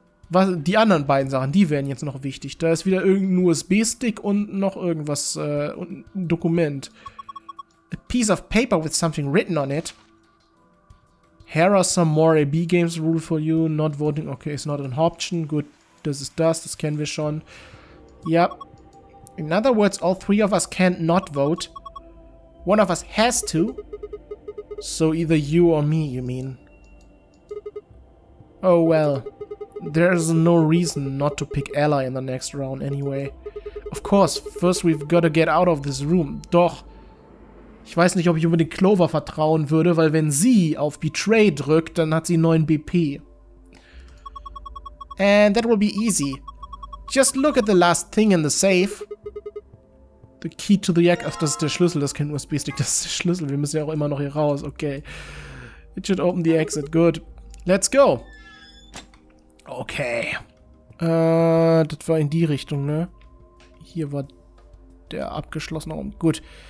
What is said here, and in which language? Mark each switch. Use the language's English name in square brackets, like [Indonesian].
[German] Was, die anderen beiden Sachen, die wären jetzt noch wichtig. Da ist wieder irgendein USB-Stick und noch irgendwas, ein Dokument. [English] A piece of paper with something written on it. Here are some more AB games rule for you. Not voting, okay, it's not an option. [German] Good, das ist das, das kennen wir schon. [English] Yep. In other words, all three of us can't not vote. One of us has to. So either you or me, you mean? Oh well. There's no reason not to pick Ella in the next round anyway. Of course, first we've gotta get out of this room. [German] Doch. Ich weiß nicht, ob ich unbedingt Clover vertrauen würde, weil wenn sie auf Betray drückt, dann hat sie 9 BP. [English] And that will be easy. Just look at the last thing in the safe. The key to the egg. [German] Ach, das ist der Schlüssel, das ist kein USB-Stick, das ist der Schlüssel. Wir müssen ja auch immer noch hier raus, okay. [English] It should open the exit, good. Let's go. Okay. [German] Das war in die Richtung, ne? Hier war der abgeschlossene Raum, gut.